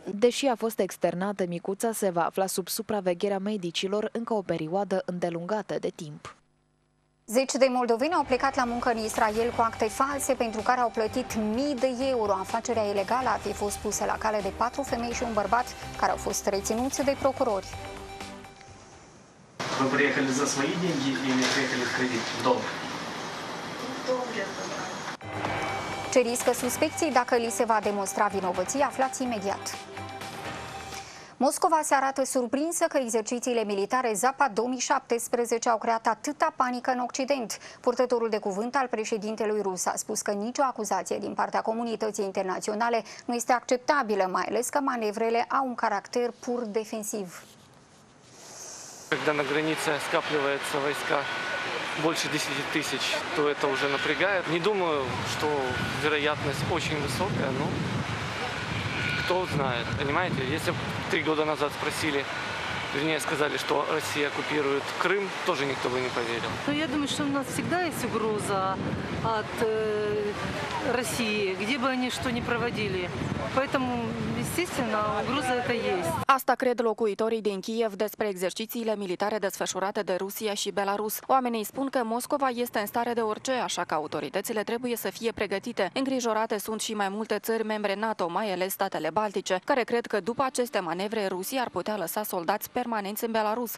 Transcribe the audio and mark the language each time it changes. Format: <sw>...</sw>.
<ro>Deși a fost externată, micuța se va afla sub supravegherea medicilor încă o perioadă îndelungată de timp. Zeci de moldoveni au plecat la muncă în Israel cu acte false pentru care au plătit 1000 de euro. Afacerea ilegală a fi fost pusă la cale de 4 femei și un bărbat care au fost reținuți de procurori.</ro> <ru>Вы приехали за свои деньги или приехали в кредит, в долг?</ru> <ro>Ce riscă suspecții dacă li se va demonstra vinovăția, aflați imediat. Moscova se arată surprinsă că exercițiile militare ZAPA 2017 au creat atâta panică în Occident. Purtătorul de cuvânt al președintelui rus a spus că nicio acuzație din partea comunității internaționale nu este acceptabilă, mai ales că manevrele au un caracter pur defensiv.</ro> <ru>Когда на границе скапливаются войска больше 10 тысяч, то это уже напрягает. Не думаю, что вероятность очень высокая, но кто знает, понимаете? Если бы 3 года назад спросили, вернее, сказали, что Россия оккупирует Крым, тоже никто бы не поверил. Но я думаю, что у нас всегда есть угроза от России, где бы они что ни проводили. Поэтому, естественно, угроза это есть.</ru> <ro>Asta cred locuitorii din Kiev despre exercițiile militare desfășurate de Rusia și Belarus. Oamenii spun că Moscova este în stare de orice, așa că autoritățile trebuie să fie pregătite. Îngrijorate sunt și mai multe țări membre NATO, mai ales statele baltice, care cred că după aceste manevre Rusia ar putea lăsa soldați permanenți în Belarus.</ro>